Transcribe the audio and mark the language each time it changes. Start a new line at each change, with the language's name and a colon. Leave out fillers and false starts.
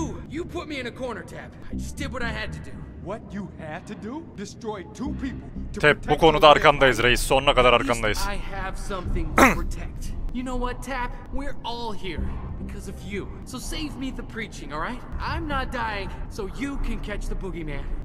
English: You put me in a corner, Tab. I just did what I had to do. What you had to do? Destroy two people.
Turkish: Tab, bu konuda arkandayız reis. Sonuna kadar arkandayız.
English: I have something to protect. You know what, Tab? We're all here because of you. So save me the preaching, all right? I'm not dying so you can catch the boogeyman.